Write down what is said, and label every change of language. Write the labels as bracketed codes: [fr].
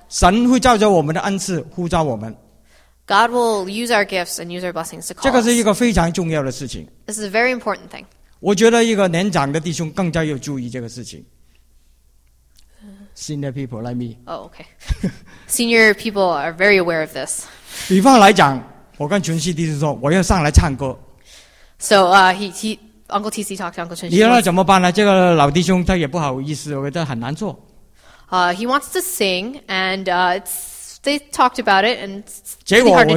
[zh] 神会照着我们的恩赐呼召我们。 [en] God will use our gifts and use our blessings to call us. [zh] 这个是一个非常重要的事情。 [en] This is a very important thing. [zh] 我觉得一个年长的弟兄更加要注意这个事情。 [en] Senior people like me. Oh, okay. Senior people are very aware of this. [zh] 比方来讲，我跟群系弟兄说，我要上来唱歌。 [en] So, he Uncle TC talked to Uncle Chun Shi. [zh] 你要怎么办呢？这个老弟兄他也不好意思，我觉得很难做。 [en] He wants to sing, and they talked about it, and it's really hard to do.